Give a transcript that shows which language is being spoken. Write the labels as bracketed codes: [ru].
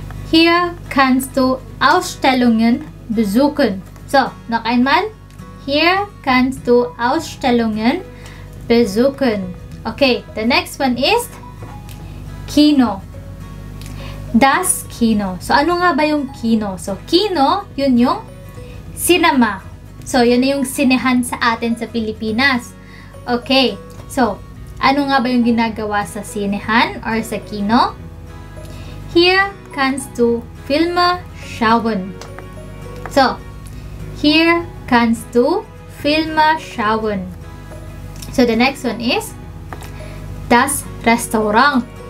[de] Hier kannst du Ausstellungen besuchen. So, noch einmal. Hier kannst du Ausstellungen besuchen. [en] Okay, the next one is Kino. [de] Das Kino. [tl] So, ano nga ba yung Kino? So, Kino, yun yung cinema. So, yun yung sinehan sa atin sa Pilipinas. Okay, so, ano nga ba yung ginagawa sa sinehan or sa kino? [de] Hier kannst du Filme schauen. So, hier kannst du Filme schauen. [en] So, the next one is das Restaurant.